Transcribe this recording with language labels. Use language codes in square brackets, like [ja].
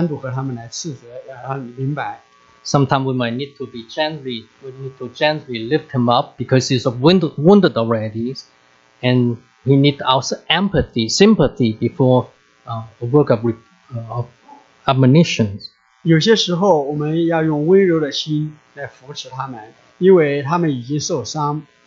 [zh] 有些时候我们也许要把他们要斥责他们，要单独和他们来斥责，要让你明白。 [en] Sometimes we may need to be gently. We need to gently lift him up because he's wounded already, and he needs our empathy, sympathy before a work of admonitions. [zh] 有些时候我们要用温柔的心来扶持他们，因为他们已经受伤。